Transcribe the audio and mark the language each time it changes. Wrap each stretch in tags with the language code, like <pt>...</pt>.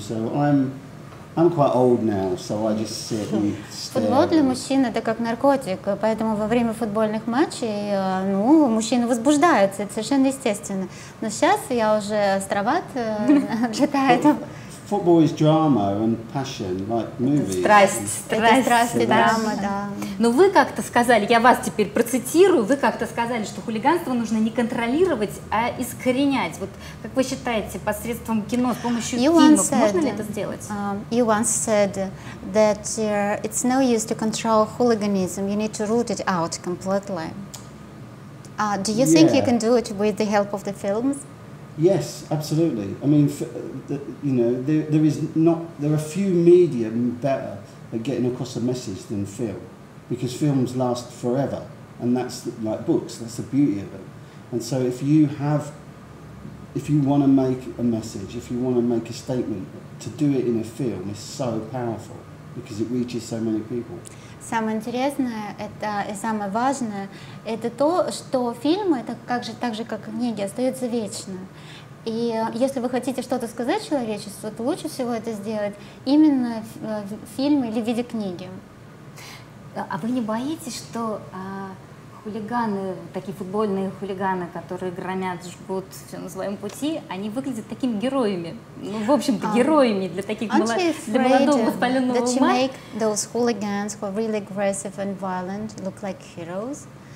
<en>So I'm quite old now, so I just sit and stare.</en> <ru>Футбол для мужчин – это как наркотик, поэтому во время футбольных матчей мужчина возбуждается, это совершенно естественно. Но сейчас я уже староват для этого.</ru> <en>Football is drama and passion, like movies.</en> <ru>Страсть, драма, да. Но вы как-то сказали, я вас теперь процитирую, вы как-то сказали, что хулиганство нужно не контролировать, а искоренять. Вот как вы считаете, посредством кино, с помощью фильмов, можно ли это сделать?</ru> <en>You once said that it's no use to control hooliganism, you need to root it out completely. Do you think you can do it with the help of the films? Yes, absolutely. I mean, you know, there are few media better at getting across a message than film. Because films last forever, and that's like books, that's the beauty of it. And so if you have, if you want to make a message, if you want to make a statement, to do it in a film is so powerful because it reaches so many people.</en> <ru>Самое интересное это, и самое важное – это то, что фильм, это как же, так же, как и книги, остается вечно. И если вы хотите что-то сказать человечеству, то лучше всего это сделать именно в фильме или в виде книги. А вы не боитесь, что хулиганы, такие футбольные хулиганы, которые громят, жгут все на своем пути, они выглядят такими героями? Ну, в общем-то, героями для таких молодого воспаленного ума?</ru> <en>That you make those hooligans who are really aggressive and violent look like heroes?</en>